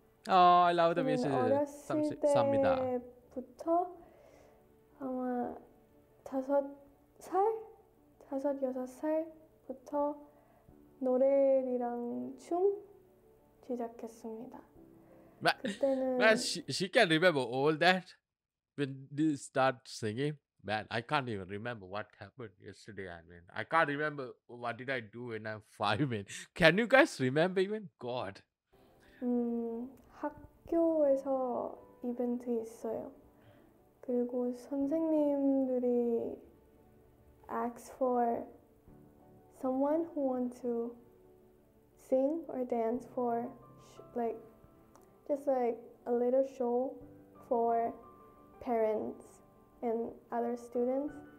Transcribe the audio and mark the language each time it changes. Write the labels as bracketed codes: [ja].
[en] Oh, I love the music. [ko] 어렸을 때부터 아마 5, 6살부터 노래랑 춤 시작했습니다. [en] But, [ko] 그때는 [en] man, she can remember all that when they start singing. Man, I can't even remember what happened yesterday. I mean, I can't remember what did I do when I'm 5 minutes. Can you guys remember even? God. [ko] 학교에서 이벤트 있어요. 그리고 선생님들이 [en] ask for someone who wants to sing or dance for like a little show for parents and other students.